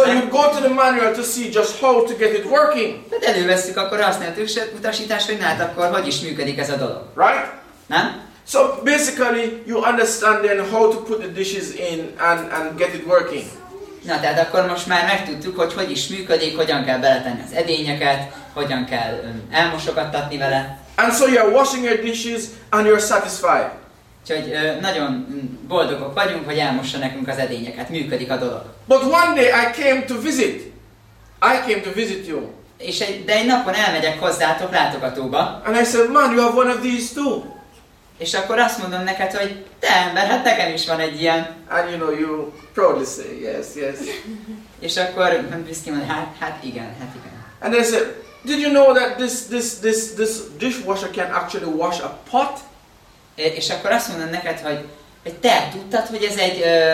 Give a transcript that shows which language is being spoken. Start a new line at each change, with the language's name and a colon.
English: So you go to the manual to see just how to get it working.
Hungarian: Tehát elővesszük akkor a használati utasítást, hogy hát akkor hogy is működik ez a dolog.
English: Right?
Hungarian: Nem?
English: So basically you understand then how to put the dishes in and get it working.
Hungarian: Na tehát akkor most már megtudtuk, hogy is működik, hogyan kell beletenni az edényeket, hogyan kell elmosogattatni vele.
English: And so you're washing your dishes and you're satisfied.
Hungarian: Úgyhogy nagyon boldogok vagyunk, hogy elmossa nekünk az edényeket, működik a dolog.
English: But one day I came to visit you.
Hungarian: És egy napon elmegyek hozzátok látogatóba.
English: And I said, man, you have one of these too.
Hungarian: És akkor azt mondom neked, hogy te ember, hát nekem is van egy ilyen.
English: And you know, you proudly say, yes.
Hungarian: És akkor nem büszkén mondom, hát igen.
English: And I said, did you know that this dishwasher can actually wash a pot?
Hungarian: És akkor azt mondom neked, hogy te tudtad, hogy ez egy